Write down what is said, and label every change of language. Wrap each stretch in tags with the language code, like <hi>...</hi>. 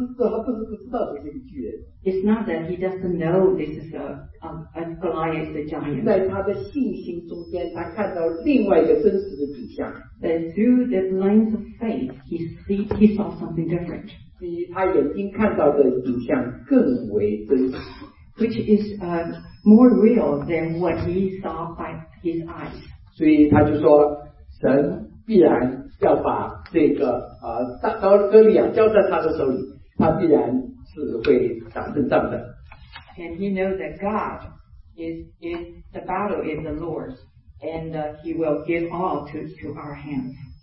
<zh>他不知道这是个巨人。</zh> <en>It's not that he doesn't know this is a Goliath, the giant.</en> <zh>在他的信心中间，他看到另外一个真实的景象。</zh> <en>But through the lens of faith, he saw something different.</en> <zh>比他眼睛看到的景象更为真实。</zh> <en>Which is more real than what he saw by his eyes.</en> <zh>所以他就说，神必然要把这个大哥利亚交在他的手里，他必然是会打胜仗的。</zh> <en>And he knows that God is the battle is the Lord's, and he will give all to our hands.</en>